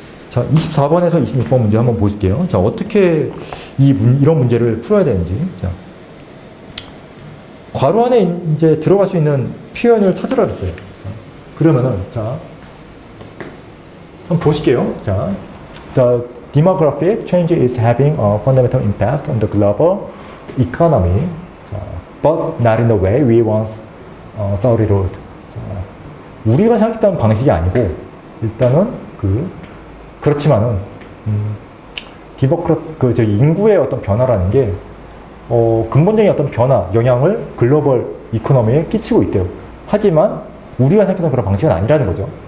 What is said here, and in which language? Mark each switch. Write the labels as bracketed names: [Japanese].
[Korean] 자, 24번에서 26번 문제 한번 보실게요. 자, 어떻게 이런 문제를 풀어야 되는지. 자, 괄호 안에 이제 들어갈 수 있는 표현을 찾으라 그랬어요. 그러면은 자 한번 보실게요. [English] 자, the demographic change is having a fundamental impact on the global economy. 자, but not in the way we once thought it would. [Korean] 자, 우리가 생각했던 방식이 아니고 일단은 그렇지만은 인구의 어떤 변화라는 게 근본적인 어떤 변화 영향을 글로벌 이코노미에 끼치고 있대요. 하지만 우리가 생각했던 그런 방식은 아니라는 거죠.